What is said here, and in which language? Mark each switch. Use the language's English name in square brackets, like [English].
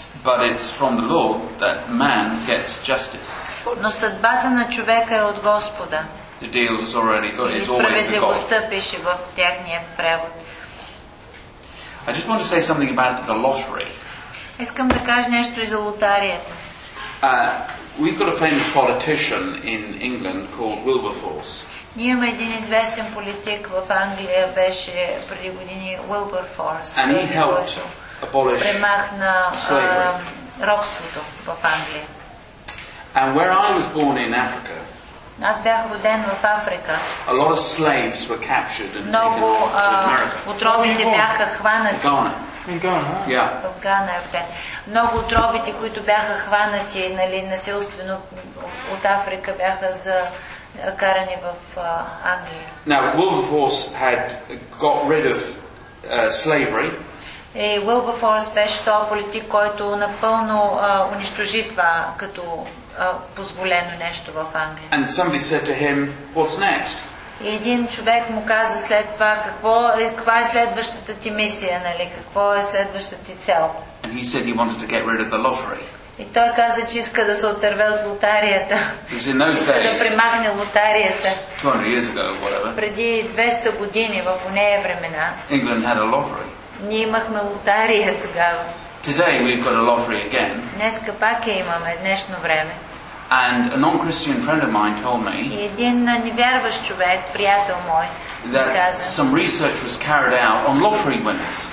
[English] But it's from the Lord that man gets justice. [Bulgarian] Но съдбата на човека е от Господа. [English] The deal is already is always the God. I just want to say something about the lottery. [Bulgarian] Искам да кажа нещо за лотарията. [English] We've got a famous politician in England called Wilberforce. [Bulgarian] Ние имаме един известен политик в Англия беше преди години Wilberforce. [English] And he helped abolish [Bulgarian] премахна [English] slavery. [Bulgarian] Робството в Англия. [English] And where I was born in Africa. [Bulgarian] Аз бях роден в Африка. [English] A lot of slaves were captured and [Bulgarian] Много отробите бяха хванати. [English] In Ghana. [Bulgarian] Много отробите, които бяха хванати, нали, насилствено от Африка бяха за карани в Англия. [English] Now Wilberforce had got rid of slavery. [Bulgarian] И Wilberforce беше този политик, който напълно унищожи това като позволено нещо в Англия. [English] And somebody said to him, "What's next?" [Bulgarian] И един човек му каза след това, каква е следващата ти мисия, нали? Какво е следващата ти цел? [English] And he said he wanted to get rid of the lottery. [Bulgarian] И той каза, че иска да се отърве от лотарията. [English] Because in those days, [Bulgarian] да премахне лотарията. [English] 200 years ago, whatever. [Bulgarian] Преди 200 години, в онези времена. [English] England had a lottery. [Bulgarian] Ние имахме лотария тогава. [English] Today we've got a lottery again. [Bulgarian] Днеска пак я имаме, днешно време. [English] And a non-Christian friend of mine told me. [Bulgarian] И един невярващ човек, приятел мой, каза. [English] Some research was carried out on lottery winners.